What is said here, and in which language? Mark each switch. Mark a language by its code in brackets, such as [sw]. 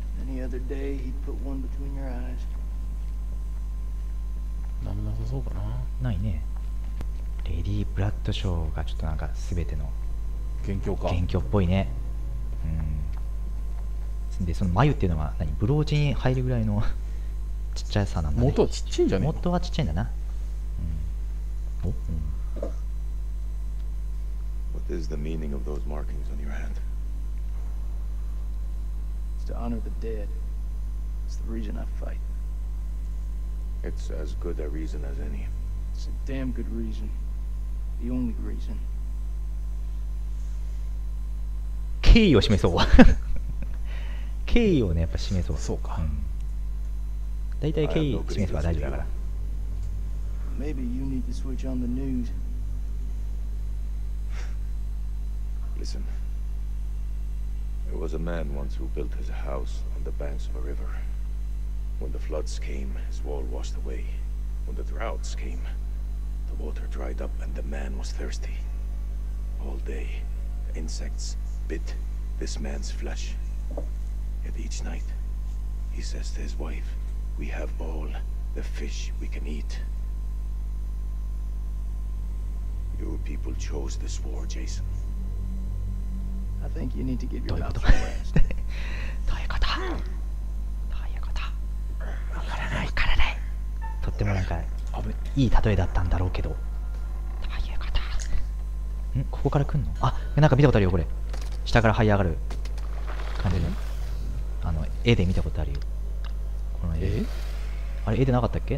[en] Any other day, he'd put one between your eyes. [ja] なめなさそうかな。ないね。レディー・ブラッドショーがちょっとなんか全ての元凶か、元凶っぽいね。うん。でその眉っていうのは何、ブローチに入るぐらいのちっちゃさなんだね。元はちっちゃいんじゃない、元はちっちゃいんだな。うん。お、うん。 [en] What is the meaning of those markings on your hand? It's to honor the dead. It's the reason I fight. It's as good a reason as any. It's a damn good reason. The only reason. [ja] 敬意を示そう。敬意をね、やっぱ示そう。そうか。大体敬意示せば大丈夫だから。 [en] Maybe you need to switch on the news. Listen. There was a man once who built his house on the banks of a river. When the floods came, his wall washed away. When the droughts came. The water dried up and the man was thirsty. All day, insects bit this man's flesh. Yet each night, he says to his wife, We have all the fish we can eat. Your people chose this war, Jason. I think you need to give your mouth some rest. [ja] どういうこと？どういうこと？わからない、わからない。とってもなんか。いい例えだったんだろうけど、どういうこと？ん？ここから来んの？あ、なんか見たことあるよこれ。下から這い上がる感じの、あの絵で見たことあるよ、この絵。あれ絵でなかったっけ？